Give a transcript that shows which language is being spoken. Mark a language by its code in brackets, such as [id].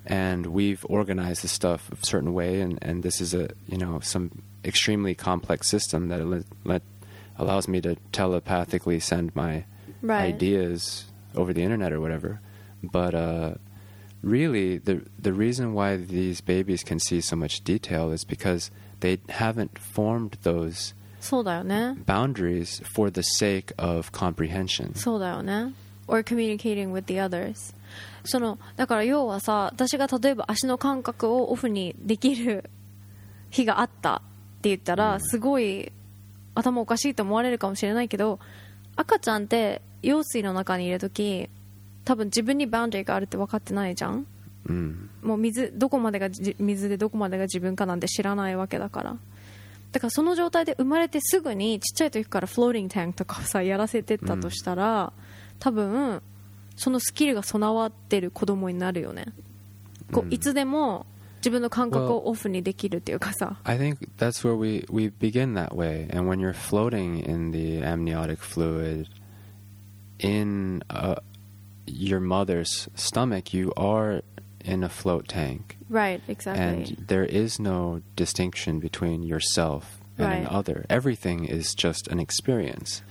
[en] And we've organized the stuff a certain way, and this is a, you know, some extremely complex system that allows me to telepathically send my ideas over the internet or whatever. But really, the reason why these babies can see so much detail is because they haven't formed those boundaries for the sake of comprehension. [ja] そうだよね。 [en] Or communicating with the others. [ja] そのだから要はさ、私が例えば足の感覚をオフにできる日があったって言ったら、すごい頭おかしいと思われるかもしれないけど、赤ちゃんって羊水の中にいるとき、多分自分にバウンダリーがあるって分かってないじゃん。もう水、どこまでが水でどこまでが自分かなんて知らないわけだから。だからその状態で生まれてすぐにちっちゃい時からフローリングタンクとかをさやらせてったとしたら、多分そのスキルが備わってる子供になるよね。こういつでも自分の感覚をオフにできるっていうかさ。 [en] Well, I think that's where we begin that way. And when you're floating in the amniotic fluid in your mother's stomach, you are in a float tank. Right, exactly. And there is no distinction between yourself and an other. Everything is just an experience.